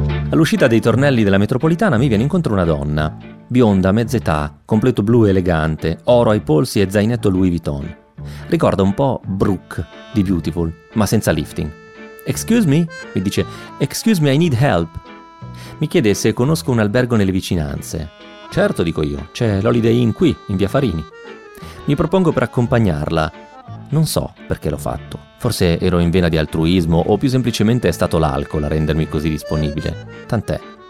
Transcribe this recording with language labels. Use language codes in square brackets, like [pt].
[it] All'uscita dei tornelli della metropolitana mi viene incontro una donna, bionda, mezz'età, completo blu elegante, oro ai polsi e zainetto Louis Vuitton. Ricorda un po' Brooke di Beautiful, ma senza lifting. [en] Excuse me? [it] Mi dice, [en] excuse me, I need help. [it] Mi chiede se conosco un albergo nelle vicinanze. Certo, dico io, c'è l'Holiday Inn qui, in via Farini. Mi propongo per accompagnarla. Non so perché l'ho fatto. Forse ero in vena di altruismo o più semplicemente è stato l'alcol a rendermi così disponibile. Tant'è.